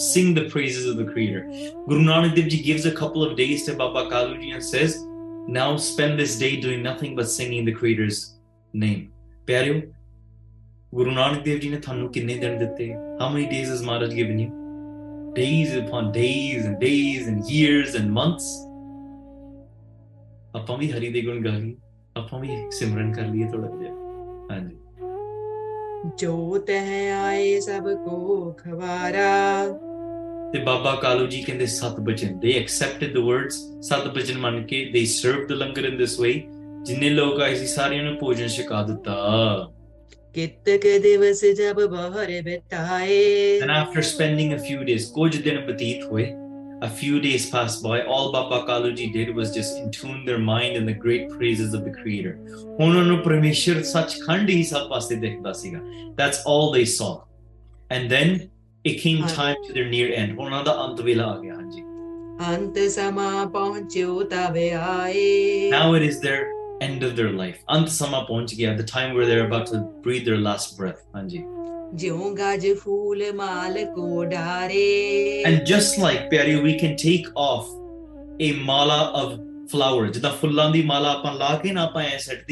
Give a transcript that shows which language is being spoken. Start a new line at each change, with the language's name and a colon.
English: Sing the praises of the creator. Guru Nanak Dev Ji gives a couple of days to Baba Kalu Ji and says, now spend this day doing nothing but singing the creator's name.
Punjabi: ਪਿਆਰਿਓ, Guru Nanak Dev Ji ਨੇ ਤੁਹਾਨੂੰ ਕਿੰਨੇ ਦਿਨ ਦਿੱਤੇ?
English: How many days has Maharaj given you? Days upon days and days and years and months.
Punjabi: ਆਪਾਂ ਵੀ ਹਰੀ ਦੇ ਗੁਣ ਗਾ ਲਈਏ, ਆਪਾਂ ਵੀ ਸਿਮਰਨ ਕਰ ਲਈਏ ਥੋੜ੍ਹਾ ਜਿਹਾ। ਹਾਂਜੀ। ਜੋ ਤਹਿ ਆਏ ਸਭ ਕੋ ਖਵਾਰਾ। ਤੇ ਬਾਬਾ ਕਾਲੂ ਜੀ ਕਹਿੰਦੇ ਸਤ ਬਚਨ,
English: they accepted the words,
Punjabi: ਸਤ ਬਚਨ ਮੰਨ ਕੇ
English: They served the langar in this way.
Punjabi: ਜਿੰਨੇ ਲੋਕ ਆਏ ਸੀ ਸਾਰਿਆਂ ਨੂੰ ਭੋਜਨ ਛਕਾ ਦਿੱਤਾ। ਕਿਤਕ ਦਿਵਸ ਜਬ ਬਹਰ ਬਿਤਾਏ।
English: and after spending a few days,
Punjabi: ਕੁਝ ਦਿਨ ਬਤੀਤ ਹੋਏ,
English: A few days pass by, all Baba Kalu ji did was just in tune their mind in the great praises of the creator.
Punjabi: ਉਹਨਾਂ ਨੂੰ ਪਰਮੇਸ਼ਰ ਸੱਚਖੰਡ ਹੀ ਸਭ ਪਾਸੇ ਦੇਖਦਾ ਸੀਗਾ।
English: That's all they saw. And then it came time to their near end,
Punjabi: ਉਹਨਾਂ ਦਾ ਅੰਤ ਵੇਲਾ ਆ ਗਿਆ।
English: ਹਾਂਜੀ।
Punjabi: अंत समा पहुंचो तबे आए.
English: Now it is their end of their life.
Punjabi: Ant sama ponch gaya,
English: the time where they're about to breathe their last breath. Anji. And just like Pyari, we can take off a mala of flowers.